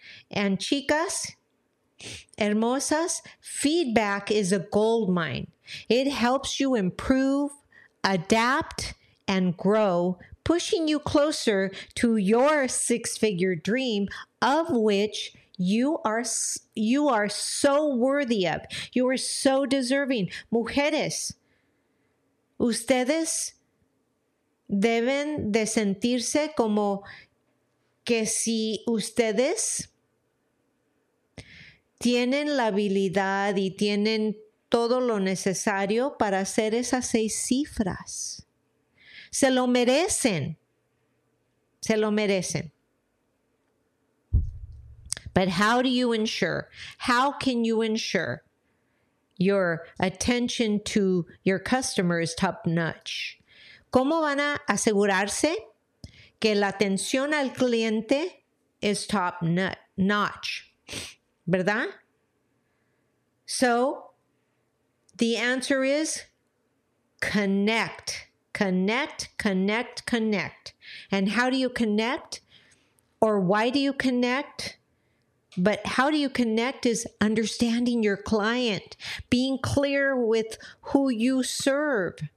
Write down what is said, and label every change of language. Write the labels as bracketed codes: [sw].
[en] And [es] chicas, hermosas, [en] feedback is a gold mine. It helps you improve, adapt, and grow, pushing you closer to your six-figure dream, of which you are so worthy of. You are so deserving. [es] Mujeres, ustedes deben de sentirse como que si ustedes tienen la habilidad y tienen todo lo necesario para hacer esas seis cifras. Se lo merecen. Se lo merecen. [en] But how do you ensure? How can you ensure your attention to your customers top notch? [es] ¿Cómo van a asegurarse que la atención al cliente es top notch? ¿Verdad? [en] So, the answer is connect, connect, connect, connect. And how do you connect? Or why do you connect? But how do you connect is understanding your client, being clear with who you serve.